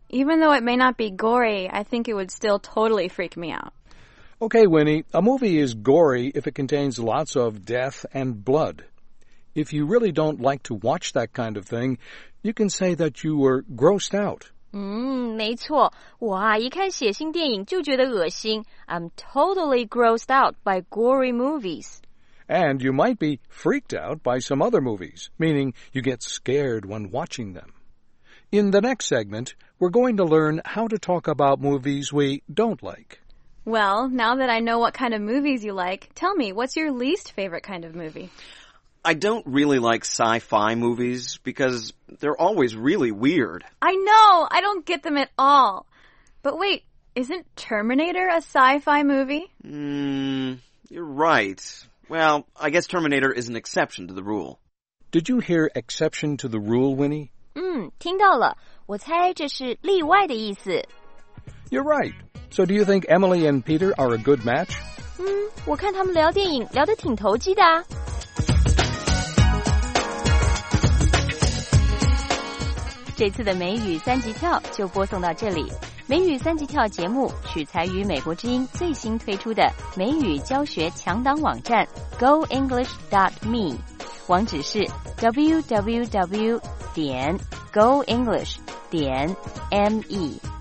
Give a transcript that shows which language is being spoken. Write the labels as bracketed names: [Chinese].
[English] Even though it may not be gory, I think it would still totally freak me out. Okay, Winnie, a movie is gory if it contains lots of death and blood. If you really don't like to watch that kind of thing, you can say that you were grossed out. [Chinese] 没错。我啊，一看血腥电影就觉得恶心。 [English] I'm totally grossed out by gory movies. And you might be freaked out by some other movies, meaning you get scared when watching them. In the next segment, we're going to learn how to talk about movies we don't like. Well, now that I know what kind of movies you like, tell me, what's your least favorite kind of movie? I don't really like sci-fi movies because they're always really weird. I know! I don't get them at all! But wait, isn't Terminator a sci-fi movie? You're right. Well, I guess Terminator is an exception to the rule. Did you hear exception to the rule, Winnie? [Chinese] 听到了，我猜这是例外的意思。 [English] You're right. So do you think Emily and Peter are a good match? [Chinese] 我看他们聊电影聊得挺投机的啊。这次的美语三级跳就播送到这里。美语三级跳节目取材于美国之音最新推出的美语教学强档网站 goenglish.me， 网址是 www.goenglish.me。